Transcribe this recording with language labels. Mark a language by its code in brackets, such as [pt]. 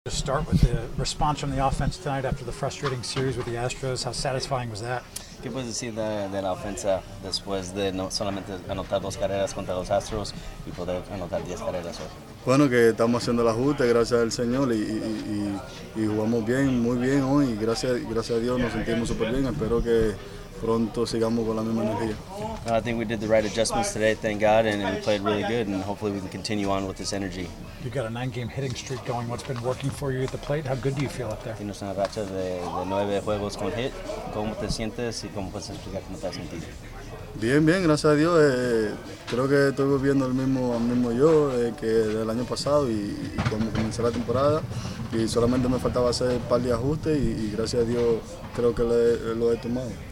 [en] Just start with the response from the offense tonight after the frustrating series with the Astros. How satisfying was that? [es] ¿Qué puedes decir de la ofensa después de no solamente anotar dos carreras contra los Astros y poder anotar 10 carreras hoy? Bueno, que estamos haciendo el ajuste, gracias al Señor, y jugamos bien, muy bien hoy. Gracias a Dios nos sentimos súper bien. Espero que pronto sigamos con la misma energía. [en] I think we did the right adjustments today, thank God, and we played really good, and hopefully we can continue on with this energy. You've got a 9-game hitting streak going. What's been working for you at the plate? How good do you feel up there? [es] Tienes una racha de 9 juegos con hit. ¿Cómo te sientes y cómo puedes explicar cómo te has sentido? Bien, gracias a Dios. Creo que estoy viendo el mismo yo que del año pasado y cuando comencé la temporada. Y solamente me faltaba hacer un par de ajustes y gracias a Dios creo que lo he tomado.